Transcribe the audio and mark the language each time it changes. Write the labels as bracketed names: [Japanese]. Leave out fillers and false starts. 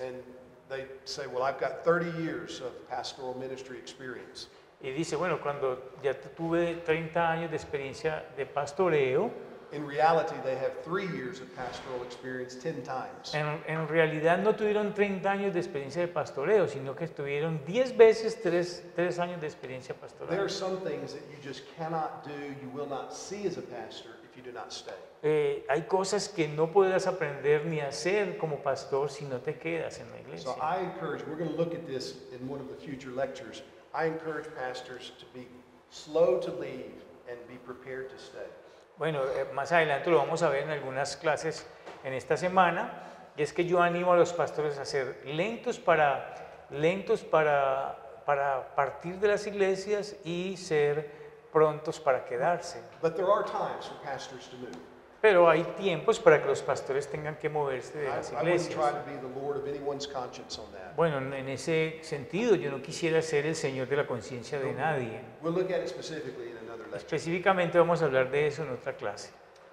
[English] And they say, well, I've got 30 years of pastoral ministry experience. [Spanish] Y dice, bueno, cuando ya tuve 30 años de experiencia de pastoreo, [English] In reality, they have 3 years of pastoral experience, 10 times. [Spanish] En realidad no tuvieron 30 años de experiencia de pastoreo, sino que tuvieron 10 veces 3 años de experiencia pastoral. [English] There are some things that you just cannot do, you will not see as a pastor if you do not stay. [Spanish] Hay cosas que no podrás aprender ni hacer como pastor si no te quedas en la iglesia. [English] So I encourage, we're going to look at this in one of the future lectures. I encourage pastors to be slow to leave and be prepared to stay. [Spanish] Bueno, más adelante lo vamos a ver en algunas clases en esta semana, y es que yo animo a los pastores a ser lentos para partir de las iglesias y ser prontos para quedarse. [English] But there are times for pastors to move. [Spanish] Pero hay tiempos para que los pastores tengan que moverse de las iglesias. [English] I wouldn't try to be the Lord of anyone's conscience on that. [Spanish] Bueno, en ese sentido, yo no quisiera ser el señor de la conciencia de nadie. [English] We'll look at it specifically in another lecture. [Spanish] Específicamente vamos a hablar de eso en otra clase.